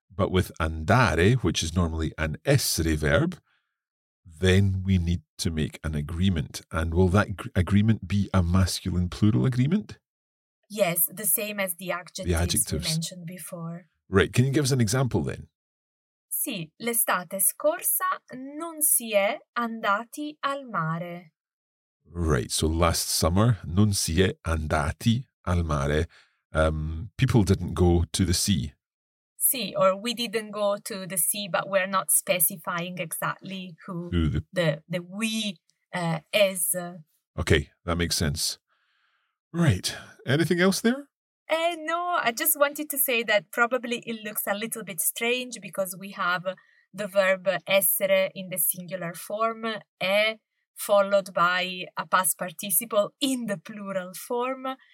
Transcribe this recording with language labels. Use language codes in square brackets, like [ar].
[en] But with andare, which is normally an essere verb, then we need to make an agreement. And will that agreement be a masculine plural agreement? Yes, the same as the adjectives we mentioned before. Right, can you give us an example then? [it] Sì, l'estate scorsa non si è andati al mare. [en] Right, so last summer, [it] non si è andati al mare. [en] People didn't go to the sea. Sì, or we didn't go to the sea, but we're not specifying exactly who the we is. Okay, that makes sense. Right, anything else there? No, I just wanted to say that probably it looks a little bit strange because we have the verb essere in the singular form, è, followed by a past participle in the plural form.